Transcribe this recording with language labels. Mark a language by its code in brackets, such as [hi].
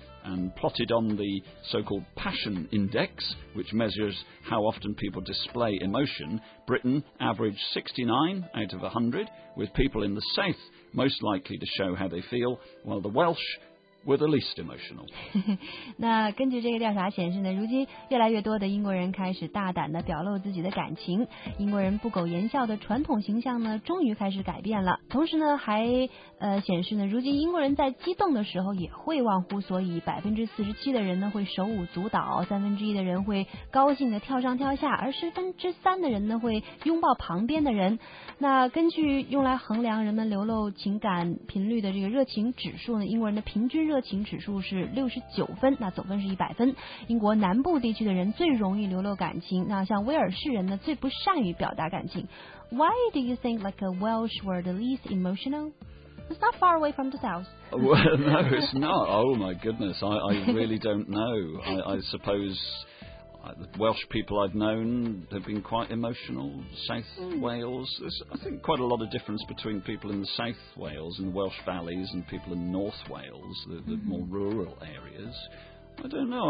[en] And plotted on the so-called Passion Index, which measures how often people display emotion, Britain averaged 69 out of 100, with people in the south most likely to show how they feel, while the Welsh were the least emotional. [zh] 那根据这个调查显示呢，如今越来越多的英国人开始大胆地表露自己的感情，英国人不苟言笑的传统形象呢，终于开始改变了。同时呢，还显示呢，如今英国人在激动的时候也会忘乎所以，47%的人呢会手舞足蹈，1/3的人会高兴地跳上跳下，而3/10的人呢会拥抱旁边的人。那根据用来衡量人们流露情感频率的这个热情指数呢，英国人的平均热情指数是69分，那总分是100分。英国南部地区的人最容易流露感情，那像威尔士人呢最不善于表达感情。 [en] Why do you think like a Welsh were the least emotional? It's not far away from the south. Well, no, it's not. Oh my goodness, I really don't know. I suppose the Welsh people I've known have been quite emotional. South Wales, there's, I think, quite a lot of difference between people in the South Wales and the Welsh Valleys and people in North Wales, the more rural areas. I don't know.